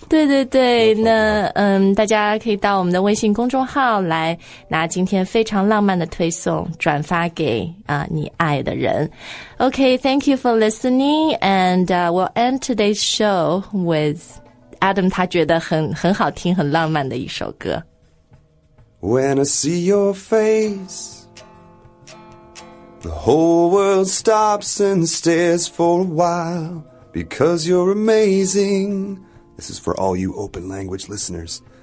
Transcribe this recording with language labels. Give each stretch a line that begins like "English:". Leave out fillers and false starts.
Chinese: 对对对，那大家可以到我们的微信公众号来拿今天非常浪漫的推送，转发给你爱的人。
English: Okay, thank you for listening, and we'll end today's show with Adam.
Chinese: 他觉得很好听、很浪漫的一首歌。
English: When I see your face. The whole world stops and stares for a while because you're amazing. This is for all you open language listeners.